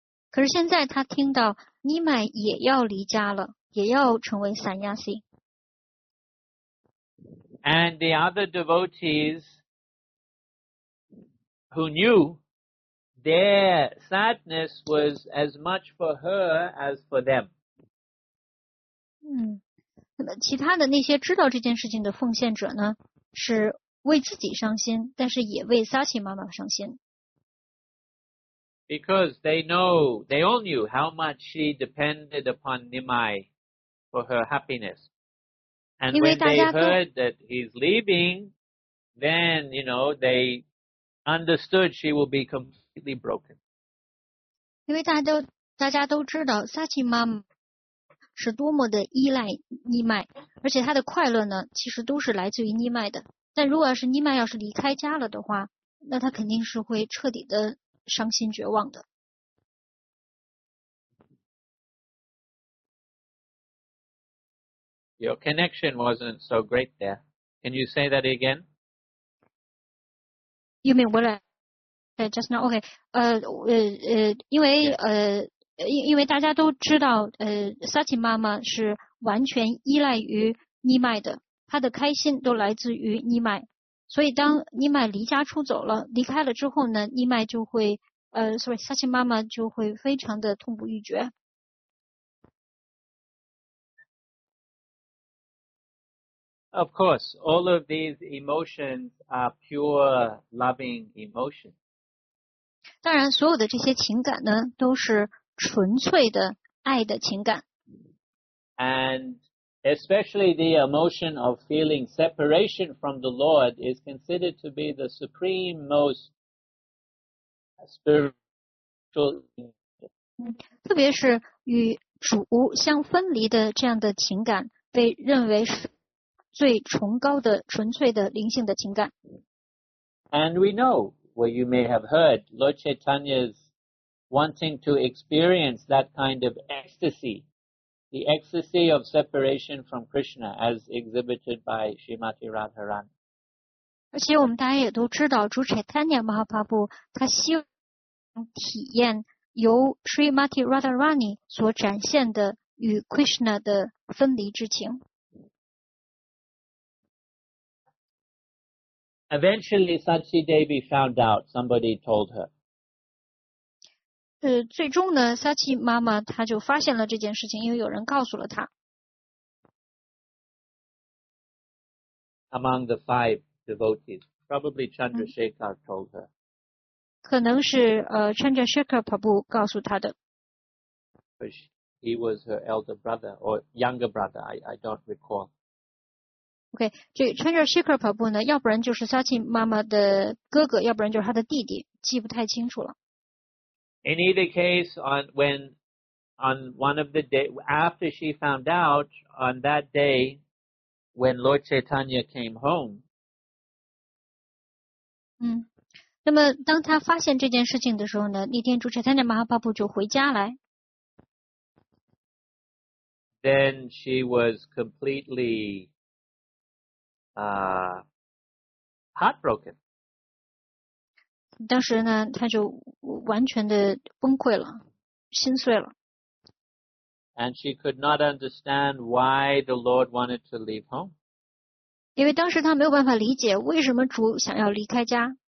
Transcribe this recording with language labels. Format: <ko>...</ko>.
<zh>可是现在她听到尼麦也要离家了，也要成为 sannyasi.</zh> <en>And the other devotees who knew their sadness was as much for her as for them.</en> <zh>嗯，那么其他的那些知道这件事情的奉献者呢？是为自己伤心，但是也为 Sachi 妈妈伤心。</zh> <en>Because they know, they all knew how much she depended upon Nimai for her happiness. And when they heard that he's leaving, then, you know, they understood she will be completely broken.</en> <zh>因为大家都知道 Sachi 妈妈是多么的依赖尼麦，而且他的快乐呢，其实都是来自于尼麦的。但如果要是尼麦要是离开家了的话，那他肯定是会彻底的伤心绝望的。</zh> <en>Your connection wasn't so great there. Can you say that again? You mean what? Just now, okay.</en> <zh>因为大家都知道，Sachi 妈妈是完全依赖于尼麦的，她的开心都来自于尼麦。所以当尼麦离家出走了，离开了之后呢，尼麦就会，Sachi 妈妈就会非常的痛不欲绝。</zh> <en>Of course, all of these emotions are pure loving emotions.</en> <zh>当然，所有的这些情感呢，都是。纯粹的爱的情感。</zh> <en>And especially the emotion of feeling separation from the Lord is considered to be the supreme most spiritual.</en> <zh>特别是与主相分离的这样的情感被认为是最崇高的纯粹的灵性的情感。</zh> <en>And we know, well, you may have heard, Lord Chaitanya'swanting to experience that kind of ecstasy, the ecstasy of separation from Krishna, as exhibited by Srimati Radharani.</en> <zh>而且我们大家也都知道，主 Chaitanya Mahaprabhu 他希望体验由 Srimati Radharani 所展现的与 Krishna 的分离之情。</zh> <en>Eventually, Sachi Devi found out, somebody told her.</en> <zh>最终呢 Sachi 妈妈她就发现了这件事情，因为有人告诉了她。</zh> <en>Among the five devotees, probably Chandrasekhar told her.</en> <zh>可能是Chandrasekhar Prabhu 告诉她的。</zh> <en>He was her elder brother or younger brother, I don't recall.</en> <zh>OK， 这 Chandra Shekhar Prabhu 呢，要不然就是 Sachin 妈妈的哥哥，要不然就是他的弟弟，记不太清楚了。</zh> <en>In either case, on one of the day after she found out on that day when Lord Chaitanya came home.</en> <zh>那么当他发现这件事情的时候呢，那天主 Chaitanya Mahaprabhu 就回家来。</zh> <en>Then she was completely heartbroken.</en> <zh>当时呢，他就完全的崩溃了，心碎了。</zh> <en>And she could not understand why the Lord wanted to leave home.</en> <zh>因为当时他没有办法理解为什么主想要离开家。</zh>